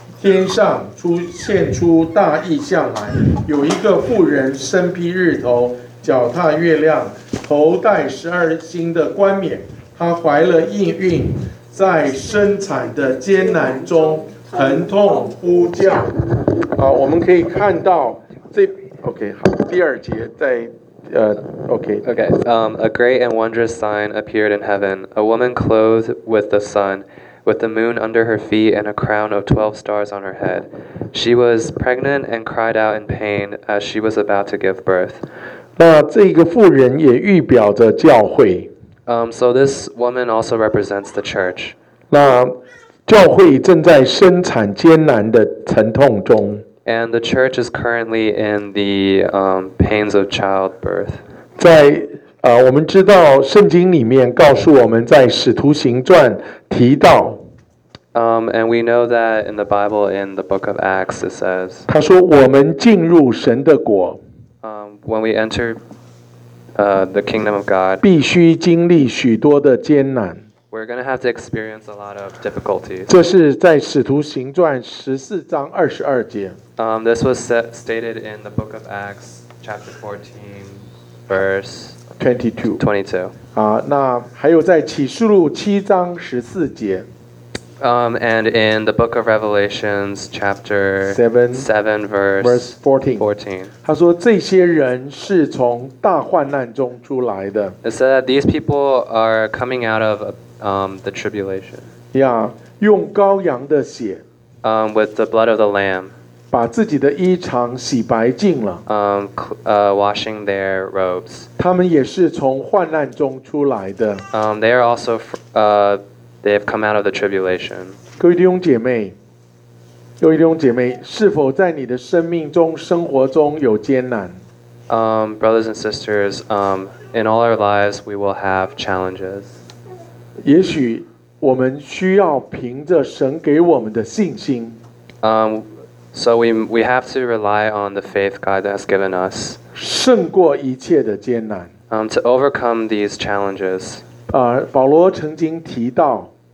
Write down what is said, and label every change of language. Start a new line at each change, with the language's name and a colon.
Chinese: 天上出现出大异象来，有一个妇人身披日头，脚踏月亮，头戴十二星的冠冕。她怀了异孕，在生产的艰难中疼痛呼叫。我们可以看到这 ，OK， 好，第二节在。
English: A great and wondrous sign appeared in heaven: a woman clothed with the sun. With the moon under her feet and a crown of 12 stars on her head. She was pregnant and cried out in pain as she was about to give birth.
Chinese: 那这个妇人也预表着教会。
English: So this woman also represents the church.
Chinese: 那教会正在生产艰难的疼痛中。
English: And the church is currently in the pains of childbirth.
Chinese: 在我们知道圣经里面告诉我们在使徒行传提到。
English: And we know that in the Bible, in the book of Acts, it says,
Chinese: 他说我们进入神的国。
English: When we enter, the kingdom of God,
Chinese: 必须经历许多的艰难。
English: We're going to have to experience a lot of difficulties.
Chinese: 这是在使徒行传十四章二十二节。
English: This was stated in the book of Acts, chapter 14, verse 22.
Chinese: 那还有在启示录七章十四节。
English: And in the book of Revelations, chapter 7 verse 14.
Chinese: 他说这些人是从大患难中出来的。
English: It said that these people are coming out of the tribulation.
Chinese: Yeah, 用羔羊的血。
English: With the blood of the lamb.
Chinese: 把自己的衣裳洗白净了。
English: Washing their robes.
Chinese: 他们也是从患难中出来的。
English: They are also they have come out of the tribulation.
Chinese: 各位弟兄姐妹，各位弟兄姐妹，是否在你的生命中、生活中有艰难？
English: Brothers and sisters, in all our lives, we will have challenges.
Chinese: 也许我们需要凭着神给我们的信心。
English: So we have to rely on the faith God has given us.
Chinese: 胜过一切的艰难。
English: To overcome these challenges.
Chinese: 保罗曾经提到。